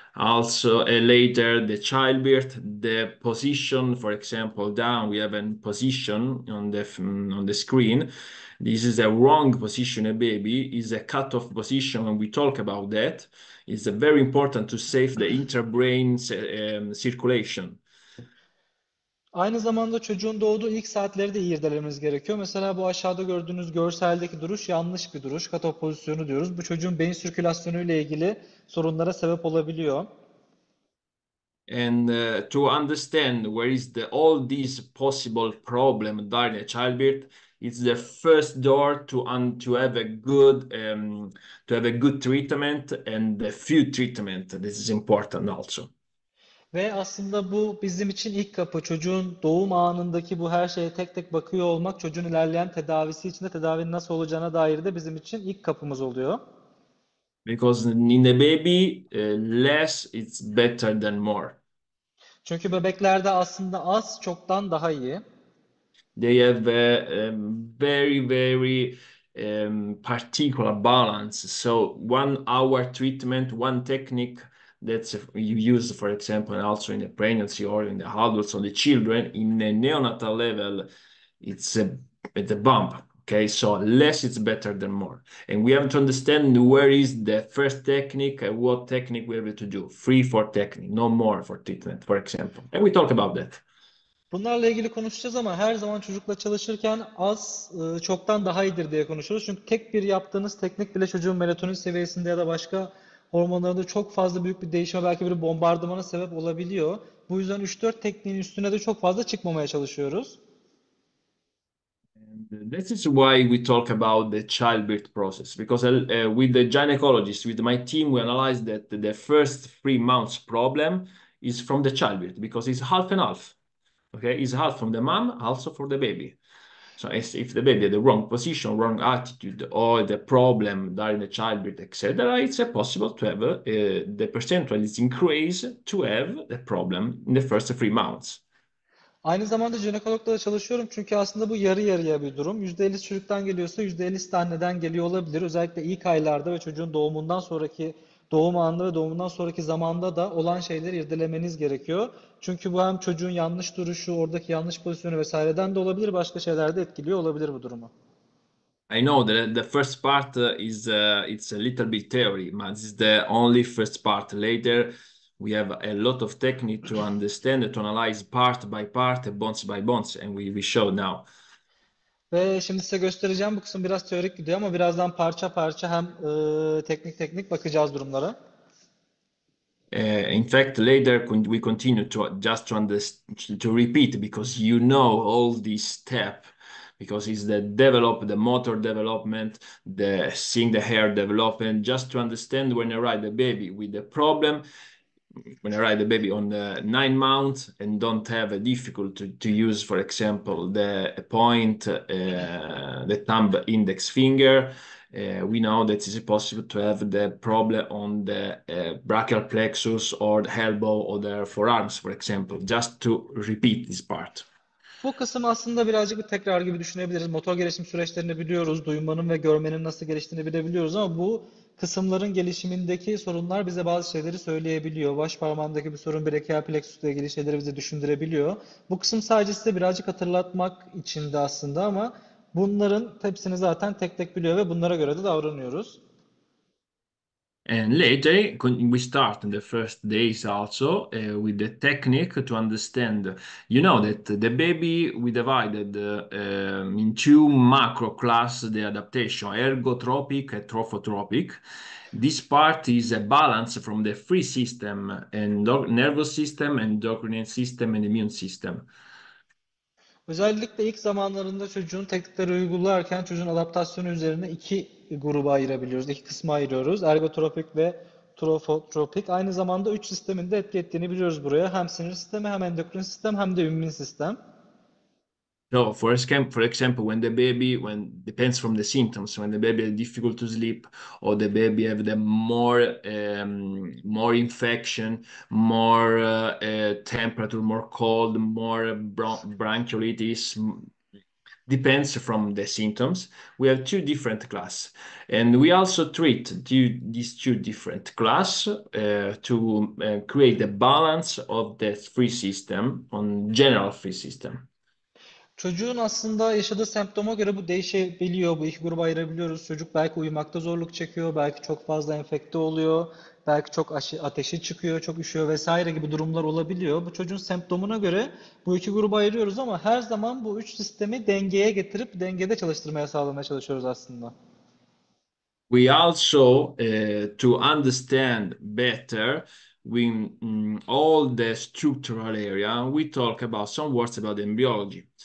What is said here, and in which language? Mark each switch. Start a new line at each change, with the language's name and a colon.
English: Also, later the childbirth, the position, for example, down, we have a position on the screen. This is a wrong position. A baby is a cut-off position. When we talk about that, it's very important to save the interbrain circulation.
Turkish: Aynı zamanda çocuğun doğduğu ilk saatleri de iyi irdelememiz gerekiyor. Mesela bu aşağıda gördüğünüz görseldeki duruş yanlış bir duruş. Kat-off pozisyonu diyoruz. Bu çocuğun beyin sirkülasyonu ile ilgili sorunlara sebep olabiliyor.
English: And to understand where is the all these possible problem during a childbirth, it's the first door to have a good to have a good treatment and a few treatment. This is important also.
Turkish: Ve aslında bu bizim için ilk kapı. Çocuğun doğum anındaki bu her şeye tek tek bakıyor olmak, çocuğun ilerleyen tedavisi için de tedavinin nasıl olacağına dair de bizim için ilk kapımız oluyor.
English: Because in the baby, less is better than more.
Turkish: Çünkü bebeklerde aslında az çoktan daha iyi.
English: They have a very, very particular balance. So 1 hour treatment, one technique that's you use, for example, also in the pregnancy or in the adults or the children, in the neonatal level, it's a bump. Okay, so less is better than more. And we have to understand where is the first technique and what technique we have to do. 3, 4 technique, no more for treatment, for example. And we talk about that.
Turkish: Bunlarla ilgili konuşacağız ama her zaman çocukla çalışırken az çoktan daha iyidir diye konuşuyoruz. Çünkü tek bir yaptığınız teknik bile çocuğun melatonin seviyesinde ya da başka hormonlarında çok fazla büyük bir değişime, belki bir bombardımana sebep olabiliyor. Bu yüzden 3-4 tekniğin üstüne de çok fazla çıkmamaya çalışıyoruz.
English: This is why we talk about the childbirth process because with the gynecologist, with my team, we analyze that the first 3 months problem is from the childbirth because it's half and half. Okay, it's half from the mom, also for the baby. So it's, if the baby had the wrong position, wrong attitude, or the problem during the childbirth, etc., it's possible to have the percentage is increased to have the problem in the first 3 months.
Turkish: Aynı zamanda jinekologla da çalışıyorum çünkü aslında bu yarı yarıya bir durum. %50'si çocuktan geliyorsa %50'si de anneden geliyor olabilir. Özellikle ilk aylarda ve çocuğun doğumundan sonraki doğum anında ve doğumundan sonraki zamanda da olan şeyleri irdelemeniz gerekiyor. Çünkü bu hem çocuğun yanlış duruşu, oradaki yanlış pozisyonu vesaireden de olabilir, başka şeyler de etkiliyor olabilir bu durumu.
English: I know that the first part is it's a little bit theory, but this is the only first part. Later, we have a lot of technique to understand, to analyze part by part, bones by bones, and we show now.
Turkish: Ve şimdi size göstereceğim, bu kısım biraz teorik gidiyor ama birazdan parça parça hem teknik teknik bakacağız durumlara.
English: In fact, later we continue to just to understand, to repeat because you know all these step. Because it's the develop, the motor development, the seeing the hair development, just to understand when I ride the baby with the problem, when I ride the baby on the 9 months and don't have a difficult to use, for example, the point, the thumb index finger, we know that it's possible to have the problem on the brachial plexus or the elbow or the forearms, for example, just to repeat this part.
Turkish: Bu kısım aslında birazcık bir tekrar gibi düşünebiliriz. Motor gelişim süreçlerini biliyoruz. Duymanın ve görmenin nasıl geliştiğini bilebiliyoruz ama bu kısımların gelişimindeki sorunlar bize bazı şeyleri söyleyebiliyor. Baş parmağındaki bir sorun brachial plexus'la ilgili şeyleri bize düşündürebiliyor. Bu kısım sadece size birazcık hatırlatmak içindi aslında ama bunların hepsini zaten tek tek biliyor ve bunlara göre de davranıyoruz.
English: And later, we start in the first days also with the technique to understand. You know that the baby we divided in two macro class the adaptation, ergotropic and trophotropic. This part is a balance from the free system and nervous system, endocrine system, and immune system.
Turkish: Özellikle ilk zamanlarında çocuğun teknikleri uygularken çocuğun adaptasyonu üzerine iki gruba ayırabiliyoruz, iki kısma ayırıyoruz. Ergotropik ve trofotropik. Aynı zamanda üç sistemin de etki ettiğini biliyoruz buraya. Hem sinir sistemi, hem endokrin sistem, hem de immün sistem.
English: So, for example, when the baby, when depends from the symptoms, when the baby has difficult to sleep, or the baby have the more infection, more temperature, more cold, more bronchitis, depends from the symptoms. We have two different class, and we also treat these two different class to create the balance of the free system on general free system.
Turkish: Çocuğun aslında yaşadığı semptoma göre bu değişebiliyor. Bu iki gruba ayırabiliyoruz. Çocuk belki uyumakta zorluk çekiyor, belki çok fazla enfekte oluyor, belki çok ateşi çıkıyor, çok üşüyor vesaire gibi durumlar olabiliyor. Bu çocuğun semptomuna göre bu iki gruba ayırıyoruz ama her zaman bu üç sistemi dengeye getirip dengede çalıştırmaya sağlamaya çalışıyoruz aslında.
English: We also to understand better when all the structural area, we talk about some words about embryology.